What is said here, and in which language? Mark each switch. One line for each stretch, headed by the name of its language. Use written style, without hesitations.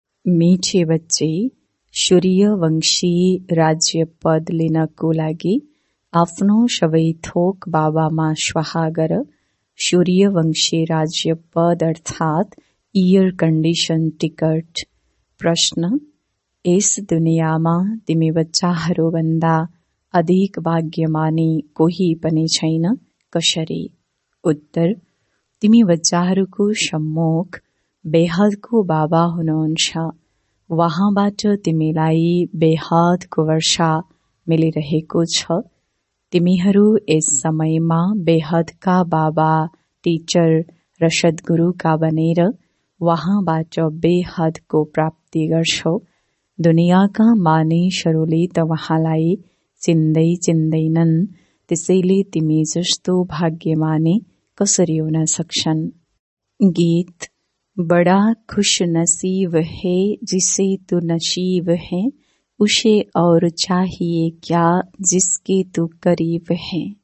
Nepali: मीठे बच्चे, सूर्य वंशी राज्य पद लेना को लागी आफ्नो सबै थोक बाबा मा स्वाहागर। सूर्य वंशी राज्य पद अर्थात ईयर कंडीशन टिकट। प्रश्न, इस दुनिया मा तिमी बच्चाहरू भन्दा अधिक भाग्यमानी कोही पनि छैन, कसरी? उत्तर, तिमी बच्चाहरूको सम्मुख बेहदको बाबा हुनुहुन्छ। वहाँबाट तिमीलाई बेहदको वर्षा मिलिरहेको छ। तिमीहरू यस समयमा बेहदका बाबा, टिचर र सद्गुरुका बनेर वहाँबाट बेहदको प्राप्ति गर्छौ। दुनियाँका मानिसहरूले त वहाँलाई चिन्दै चिन्दैनन्, त्यसैले तिमी जस्तो भाग्यमानी कसरी हुन सक्छन्?
Hindi: गीत, बडा खुश नसीब है जिसे तु नसीब है, उसे और चाहिए क्या जिसके तु करीब है।